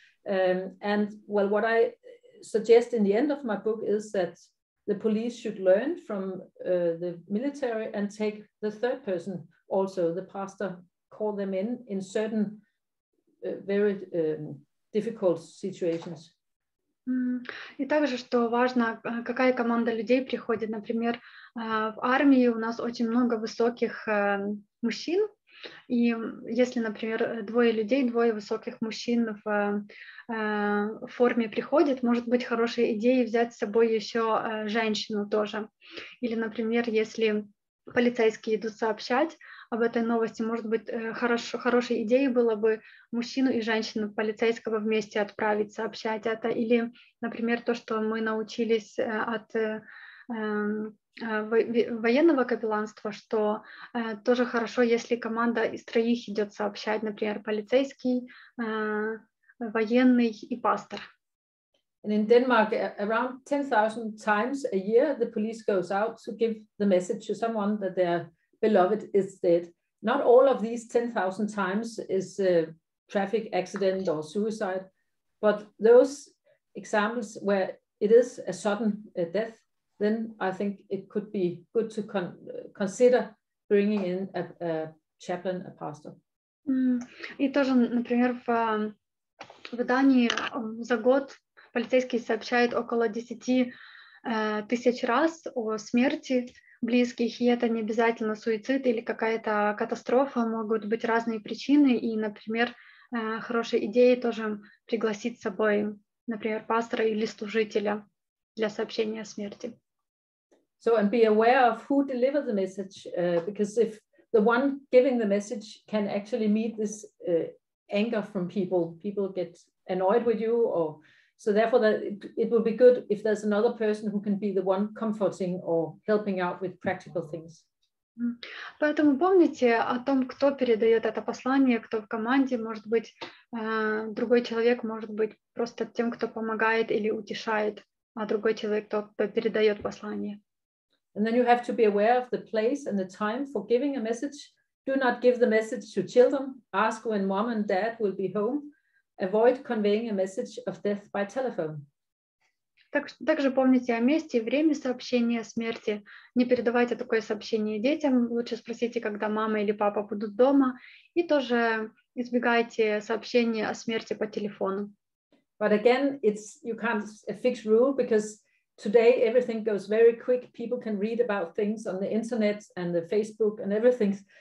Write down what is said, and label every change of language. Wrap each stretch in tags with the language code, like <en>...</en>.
<en>And well, what I suggest in the end of my book is that the police should learn from the military and take the third person also, the pastor, call them in certain very difficult situations.</en> <ru>И также, что важно, какая команда людей приходит. Например, в армии у нас очень много высоких мужчин. И если, например, двое людей, двое высоких мужчин в форме приходят, может быть, хорошей идеей взять с собой еще женщину тоже. Или, например, если полицейские идут сообщать об этой новости, может быть, хорошей идеей было бы мужчину и женщину полицейского вместе отправить сообщать это. Или, например, то, что мы научились от военного капелланства, что тоже хорошо, если команда из троих идет сообщать, например, полицейский, военный и пастор.</ru> <en>And in Denmark, around 10,000 times a year, the police goes out to give the message to someone that their beloved is dead. Not all of these 10,000 times is a traffic accident or suicide, but those examples where it is a sudden death, then I think it could be good to consider bringing in a chaplain, a pastor.</en> <ru>И тоже, например, в Дании за год полицейские сообщают около 10,000 раз о смерти близких, и это не обязательно суицид или какая-то катастрофа, могут быть разные причины, и, например, хорошей идеей тоже пригласить с собой, например, пастора или служителя для сообщения о смерти.</ru> <en>So, and be aware of who delivers the message, because if the one giving the message can actually meet this anger from people, people get annoyed with you, or so therefore that it will be good if there's another person who can be the one comforting or helping out with practical things.</en> <ru>Поэтому помните о том, кто передает это послание, кто в команде, может быть, другой человек, может быть, просто тем, кто помогает или утешает, а другой человек, тот, кто передает послание.</ru> <en>And then you have to be aware of the place and the time for giving a message. Do not give the message to children. Ask when mom and dad will be home. Avoid conveying a message of death by telephone.</en> <ru>Также помните о месте и время сообщения о смерти. Не передавайте такое сообщение детям. Лучше спросите, когда мама или папа будут дома. И тоже избегайте сообщения о смерти по телефону.</ru> <en>But again, it's you can't a fixed rule because today everything goes very quick. People can read about things on the internet and the Facebook and everything.</en>